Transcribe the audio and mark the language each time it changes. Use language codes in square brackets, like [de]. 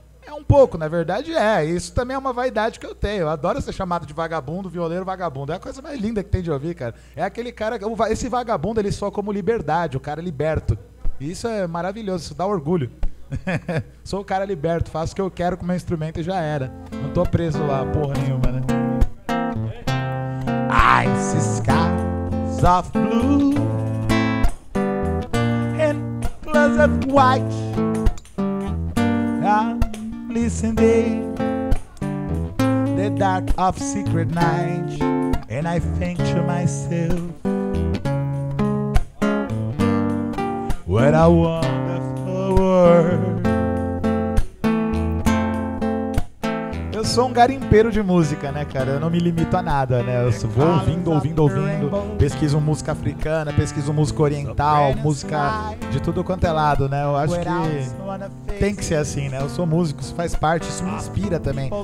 [pt] É um pouco, na verdade é. Isso também é uma vaidade que eu tenho. Eu adoro ser chamado de vagabundo, violeiro, vagabundo. É a coisa mais linda que tem de ouvir, cara. É aquele cara, esse vagabundo, ele soa como liberdade, o cara liberto. Isso é maravilhoso, isso dá orgulho. Sou o cara liberto, faço o que eu quero com meu instrumento e já era. Não tô preso lá, porra nenhuma, né? [en] I see skies of blue and clouds of white. I'm listening the dark of secret night. And I think to myself, what a wonderful world. [pt] Eu sou um garimpeiro de música, né, cara? Eu não me limito a nada, né? Eu vou ouvindo. Pesquiso música africana, pesquiso música oriental, música de tudo quanto é lado, né? Eu acho que tem que ser assim, né? Eu sou músico, isso faz parte, isso me inspira também.